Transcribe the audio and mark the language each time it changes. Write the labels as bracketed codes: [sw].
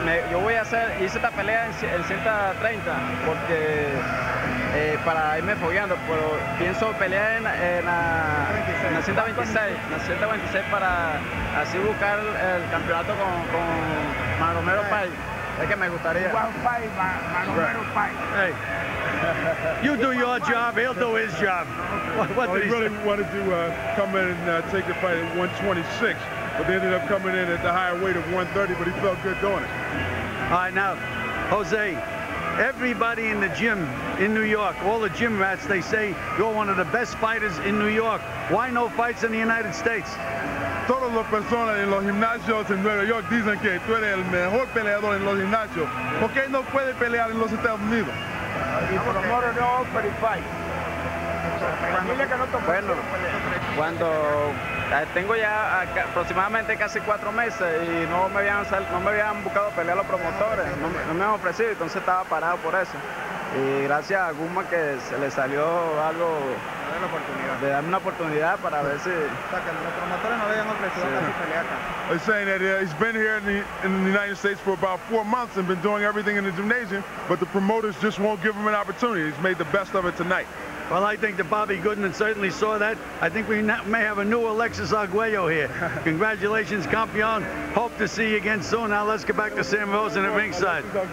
[es] Yo voy a hacer, hice esta pelea en 130 porque para irme fogueando, pero pienso pelear en la 126, en la 126 para así buscar el campeonato con Maromero Pai. Es que me gustaría. [en] One fight, Maromero Pai. Hey. You do your job, he'll do his job. What did he really wanted to come in and take the fight at 126. But they ended up coming in at the higher weight of 130, but he felt good doing it. All right, now, Jose, everybody in the gym in New York, all the gym rats, they say you're one of the best fighters in New York. Why no fights in the United States? [es] Todas las personas en los gimnasios en Nueva York dicen que tú eres el mejor peleador en los gimnasios. ¿Por qué no puede pelear en los Estados Unidos? Y por amor no, pero fight. Bueno, cuando tengo ya aproximadamente casi 4 meses y no me habían buscado pelear los promotores, no me han ofrecido, entonces estaba parado por eso. Y gracias a Guma que se le salió algo de darme una oportunidad para ver si. O sea, que los promotores no le habían ofrecido casi pelear acá. [en] He's saying that he's been here in the United States for about 4 months and been doing everything in the gymnasium, but the promoters just won't give him an opportunity. He's made the best of it tonight. Well, I think that Bobby Goodman certainly saw that. I think we may have a new Alexis Arguello here. Congratulations, campeón. Hope to see you again soon. Now let's get back to Sam Rosen at ringside.